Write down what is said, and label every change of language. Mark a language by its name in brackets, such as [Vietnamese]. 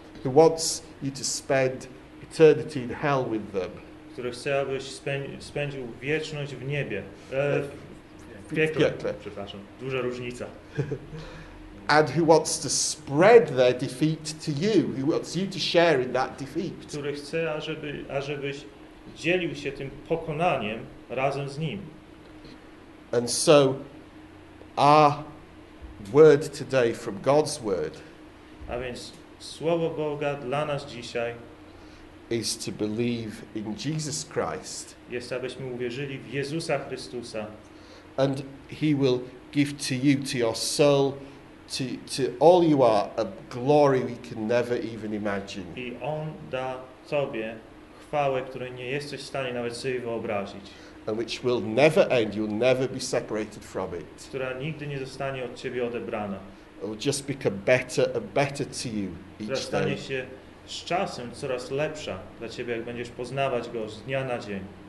[English] Who wants you to spend eternity in hell with them. [Polish] Który chce, abyś spędził wieczność w niebie. W piekle. Przepraszam. Duża różnica. [English] And who wants to spread their defeat to you? Who wants you to share in that defeat? [Polish] Który chce, ażebyś dzielił się tym pokonaniem razem z nim. [English] And so, our word today from God's word. [Polish] A więc słowo Boga dla nas dzisiaj. [English] Is to believe in Jesus Christ. [Polish] Jest, abyśmy uwierzyli w Jezusa Chrystusa. [English] And He will give to you, to your soul. To all you are, a glory we can never even imagine. [Polish] I on da tobie chwałę, której nie jesteś w stanie nawet sobie wyobrazić. [English] And which will never end, you'll never be separated from it. [Polish] Która nigdy nie zostanie od ciebie odebrana. [English] It will just become better and better to you each day. [Polish] Stanie się z czasem coraz lepsza dla ciebie, jak będziesz poznawać go z dnia na dzień.